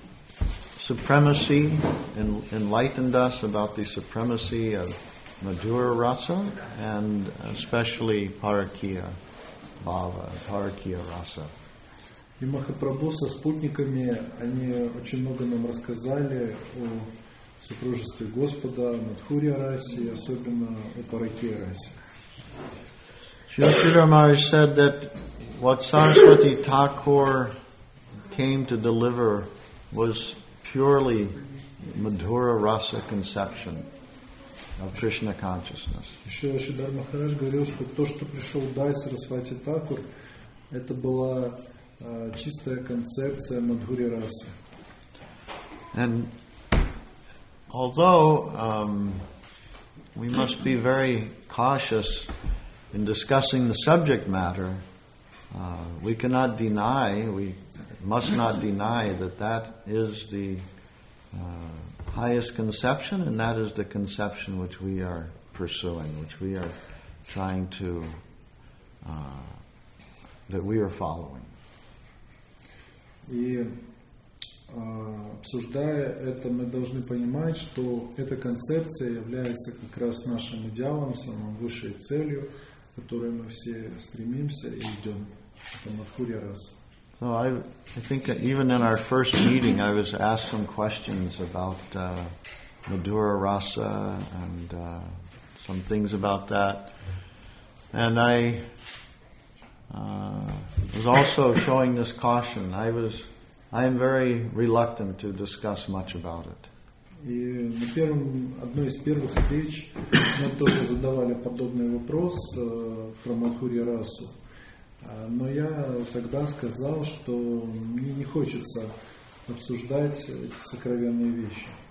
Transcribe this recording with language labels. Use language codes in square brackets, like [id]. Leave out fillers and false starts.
[en] supremacy, enlightened us about the supremacy of Madhura Rasa and especially Parakya Bhava, Parakya Rasa. [ru] И Махапрабху со спутниками, они очень много нам рассказали о супружестве Господа, Мадхурья Расе, особенно о Паракья Расе. [en] Шрила Шридхара Махарадж said that what Saraswati Thakur came to deliver was purely Madhura Rasa conception of Krishna consciousness. [ru] Шрила Шридхара Махарадж говорил, что то, что пришел дать Сарасвати Такур, это была чистая концепция Мадхурья Расы. [en] And although we must be very cautious in discussing the subject matter, we cannot deny, we must not deny that that is the highest conception, and that is the conception which we are pursuing, which we are trying to, that we are following. [ru] И обсуждая это, мы должны понимать, что эта концепция является как раз нашим идеалом, самой высшей целью, к которой мы все стремимся и идем. Это Мадхурья Раса. [en] So I think even in our first meeting, I was asked some questions about Madhura Rasa and some things about that. And I was also showing this caution. I am very reluctant to discuss much about it. [ru] И на первом, одной из первых встреч мы тоже задавали подобный вопрос про Мадхурья Расу. Но я тогда сказал, что мне не хочется обсуждать эти сокровенные вещи.